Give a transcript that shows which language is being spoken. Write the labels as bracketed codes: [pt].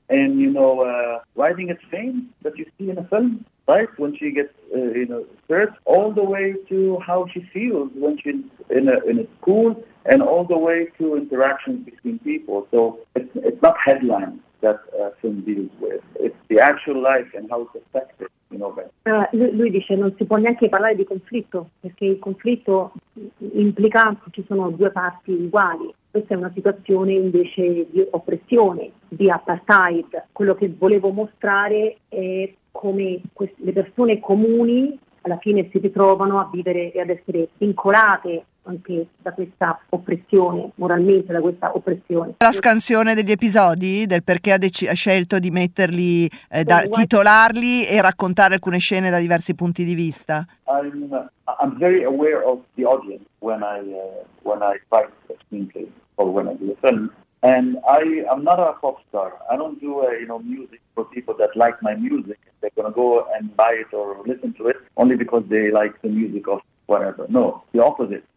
[en] And, riding its fame that you see in a film, right? When she gets, searched, all the way to how she feels when she's in a school, and all the way to interactions between people. So it's not headlines that film deals with. It's the actual life and how it's affected. [it] Lui dice non si può neanche parlare di conflitto, perché il conflitto implica che ci sono due parti uguali. Questa è una situazione invece di oppressione, di apartheid. Quello che volevo mostrare è come le persone comuni alla fine si ritrovano a vivere e ad essere vincolate anche da questa oppressione, moralmente da questa oppressione. La scansione degli episodi, del perché ha scelto di metterli, titolarli e raccontare alcune scene da diversi punti di vista. [en] I'm very aware of the audience when I write a screenplay or when I do a film, and I'm not a pop star. I don't do music for people that like my music. They're gonna go and buy it or listen to it only because they like the music of whatever. No, the opposite.